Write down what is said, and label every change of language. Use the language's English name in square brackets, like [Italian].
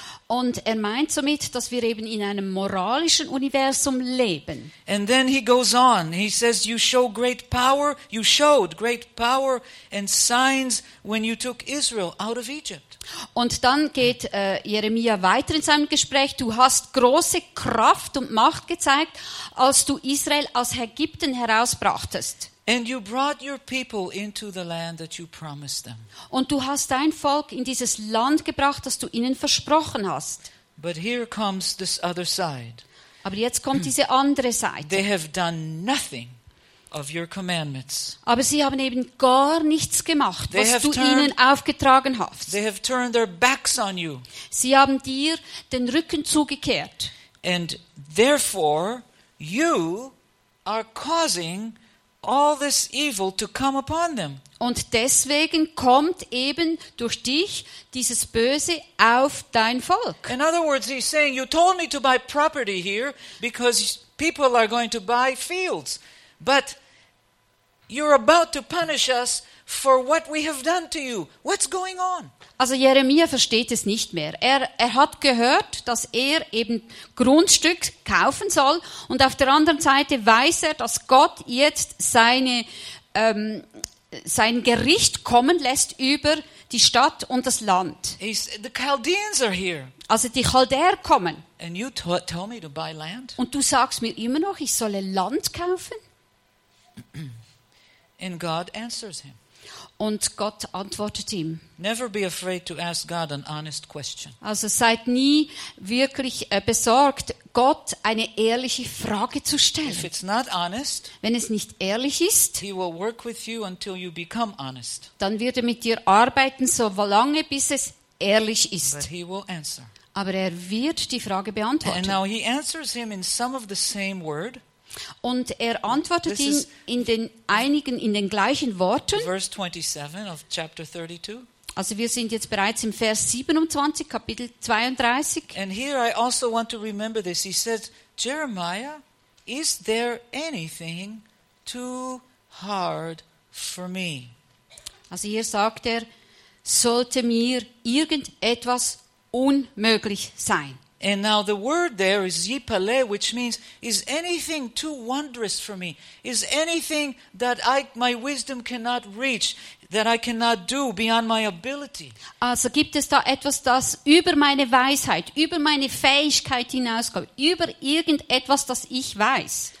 [German] Und er meint somit, dass wir eben in einem moralischen Universum leben. [English] And then he goes on. He says, you show great power, you showed great power and signs when you took Israel out of Egypt. [German] Und dann geht Jeremia weiter in seinem Gespräch. Du hast große Kraft und Macht gezeigt, als du Israel aus Ägypten herausbrachtest. [English] And you brought your people into the land that you promised them. [German] Und du hast dein Volk in dieses Land gebracht, das du ihnen versprochen hast. [English] But here comes this other side. [German] Aber jetzt kommt diese andere Seite. [English] They have done nothing of your commandments. [German] Aber sie haben eben gar nichts gemacht, was du ihnen aufgetragen hast. [English] They have turned their backs on you. [German] Sie haben dir den Rücken zugekehrt. [English] And therefore you are causing all this evil to come upon them. [German] Und deswegen kommt eben durch dich dieses Böse auf dein Volk. [English] In other words, he's saying, you told me to buy property here because people are going to buy fields. But you're about to punish us for what we have done to you. What's going on? [German] Also Jeremia versteht es nicht mehr. Er hat gehört, dass er eben Grundstück kaufen soll, und auf der anderen Seite weiß er, dass Gott jetzt sein Gericht kommen lässt über die Stadt und das Land. [English] The Chaldeans are here. [German] Also die Chaldäer kommen. [English] And you tell me to buy land? [German] Und du sagst mir immer noch, ich solle Land kaufen? [English] and God answers him. [German] Und Gott antwortet ihm. [English] Never be afraid to ask God an honest question. [German] Also seid nie wirklich besorgt, Gott eine ehrliche Frage zu stellen. [English] If it's not honest, [German] wenn es nicht ehrlich ist, [English] he will work with you until you become honest. [German] Dann wird er mit dir arbeiten, so lange, bis es ehrlich ist. [English] But he will answer. [German] Aber er wird die Frage beantworten. [English] And now he answers him in some of the same word. [German] Und er antwortet [English] this [German] ihn in den einigen, in den gleichen Worten. [English] Verse 27 of chapter 32. [German] Also wir sind jetzt bereits im Vers 27, Kapitel 32. [English] And here I also want to remember this. He says, Jeremiah, is there anything too hard for me? [German] Also hier sagt er, sollte mir irgendetwas unmöglich sein? [English] And now the word there is yipale, which means, is anything too wondrous for me? Is anything that I, my wisdom cannot reach, that I cannot do beyond my ability? [German] Also gibt es da etwas, das über meine Weisheit, über meine Fähigkeit hinausgeht, über irgendetwas, das ich weiß?